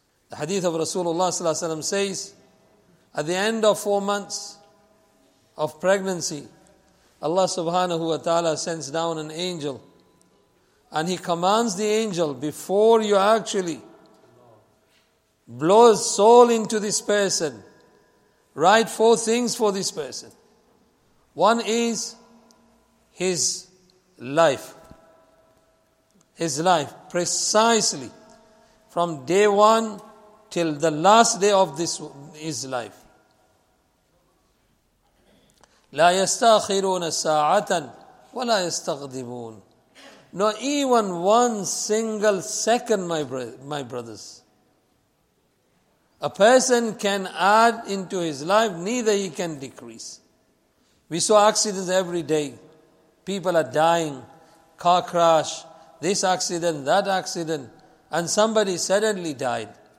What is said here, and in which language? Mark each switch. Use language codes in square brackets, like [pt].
[en] The hadith of Rasulullah sallallahu alaihi wasallam says, at the end of 4 months of pregnancy, Allah subhanahu wa ta'ala sends down an angel, and He commands the angel, before you actually blow soul into this person, write 4 things for this person. One is his life. His life, precisely from day one till the last day of this his life. [ar] لا يستأخرون ساعة ولا يستقدمون. [en] Not even one single second, my brothers. A person can add into his life, neither he can decrease. We saw accidents every day. People are dying, car crash, this accident, that accident, and somebody suddenly died.